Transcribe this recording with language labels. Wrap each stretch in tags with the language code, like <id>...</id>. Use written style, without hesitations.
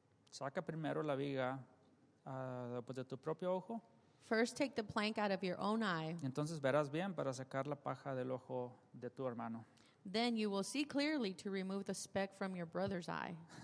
<es>Saca primero la viga pues de tu propio ojo.</es> <en>First take the plank out of your own eye.</en> <es>Entonces verás bien para sacar la paja del ojo de tu hermano.</es> <en>Then you will see clearly to remove the speck from your brother's eye.</en>